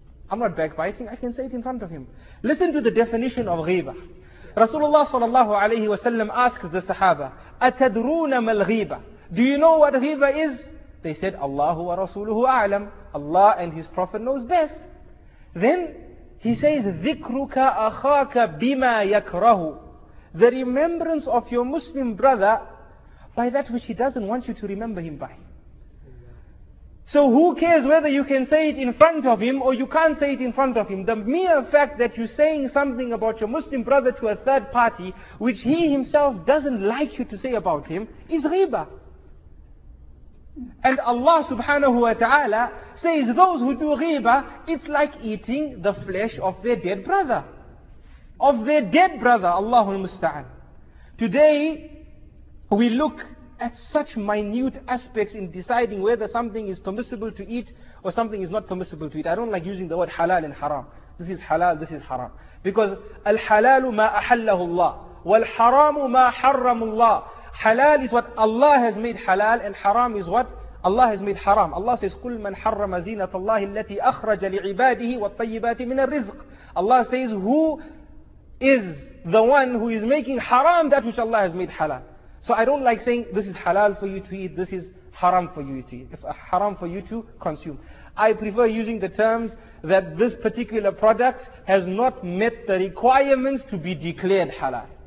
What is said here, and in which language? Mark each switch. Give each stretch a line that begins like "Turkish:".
English: I'm not backbiting, I can say it in front of him. Listen to the definition of ghiba.
Arabic: Rasulullah sallallahu alayhi wa sallam
English: asks the sahaba,
Arabic: أَتَدْرُونَ مَا الْغِيبَ?
English: Do you know what ghiba is? They said,
Arabic: Allahu wa rasuluhu a'lam.
English: Allah and his prophet knows best. Then he says,
Arabic: ذِكْرُكَ أَخَاكَ بِمَا يَكْرَهُ.
English: The remembrance of your Muslim brother by that which he doesn't want you to remember him by. So who cares whether you can say it in front of him or you can't say it in front of him? The mere fact that you're saying something about your Muslim brother to a third party, which he himself doesn't like you to say about him, is ghibah. And Allah subhanahu wa ta'ala says those who do ghibah, it's like eating the flesh of their dead brother. Of their dead brother, Allahu musta'an. Today, we look at such minute aspects in deciding whether something is permissible to eat or something is not permissible to eat. I don't like using the word halal and haram. This is halal, this is haram. Because
Arabic: al-halal ma ahallahu Allah, wal-haram ma harram Allah.
English: Halal is what Allah has made halal, and haram is what Allah has made haram. Allah says,
Arabic: قُلْ مَنْ حَرَّمَ زِينَةَ اللَّهِ الَّتِي أَخْرَجَ لِعِبَادِهِ وَالطَّيِّبَاتِ مِنَ الرِّزْقِ.
English: Allah says, who is the one who is making haram that which Allah has made halal? So I don't like saying this is halal for you to eat, this is haram for you to eat, if haram for you to consume. I prefer using the terms that this particular product has not met the requirements to be declared halal.